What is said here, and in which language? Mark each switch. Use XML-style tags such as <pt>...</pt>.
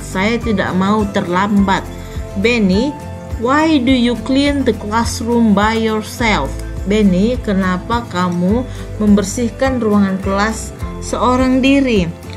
<id>Saya tidak mau terlambat.</id> <en>Benny, why do you clean the classroom by yourself?</en> <id>Benny, kenapa kamu membersihkan ruangan kelas seorang diri?</id>